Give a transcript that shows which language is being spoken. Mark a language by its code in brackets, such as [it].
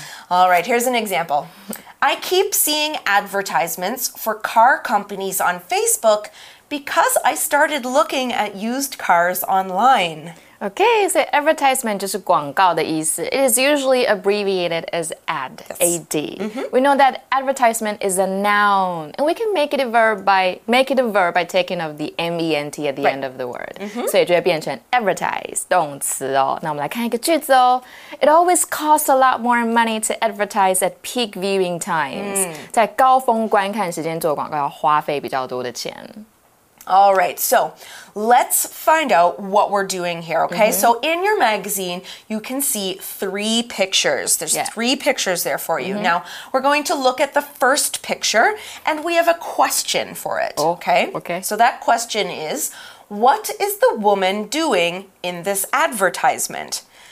[en] All right, here's an example. I keep seeing advertisements for car companies on Facebook because I started looking at used cars online. Okay, so advertisement [zh] 就是广告的意思。 [en] It is usually abbreviated as ad, yes. A-D. Mm-hmm. We know that advertisement is a noun, and we can make it a verb by, taking off the M-E-N-T at the end of the word. Mm-hmm. [zh] 所以就会变成 advertise, 动词哦。那我们来看一个句子哦。 [en] It always costs a lot more money to advertise at peak viewing times. Mm. [zh] 在高峰观看时间做广告要花费比较多的钱。 [en] All right, so let's find out what we're doing here, okay? Mm-hmm. So in your magazine, you can see three pictures. There's three pictures there for you. Now, we're going to look at the first picture, and we have a question for it, okay? Okay. So that question is, what is the woman doing in this advertisement?